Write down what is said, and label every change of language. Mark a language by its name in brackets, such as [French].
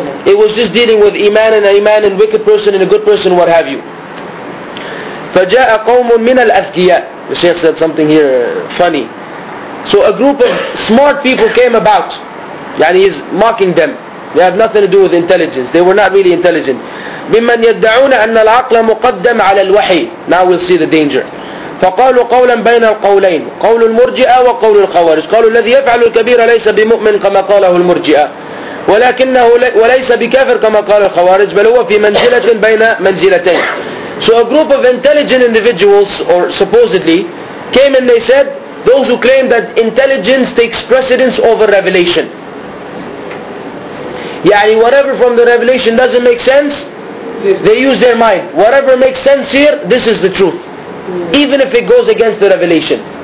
[English] It was just dealing with Iman and Iman and wicked person and a good person, what have you. [Arabic] فجاء قوم من الأذكياء. [English] The Shaykh said something here funny. So a group of smart people came about. [Arabic] يعني [English] he's mocking them. They have nothing to do with intelligence. They were not really intelligent. [Arabic] بمن يدعون أن العقل مقدم على الوحي. [English] Now we'll see the danger. [Arabic] فقالوا قولا بين القولين. قول المرجئة وقول الخوارج. قالوا الذي يفعل الكبير ليس بمؤمن كما قاله المرجئة. ولكنه وليس بكافر كما قال الخوارج. بل هو في منزلة بين منزلتين. [English] So a group of intelligent individuals, or supposedly, came and they said, those who claim that intelligence takes precedence over revelation. [Arabic] يعني [English] whatever from the revelation doesn't make sense, they use their mind. Whatever makes sense here, this is the truth. Even if it goes against the revelation.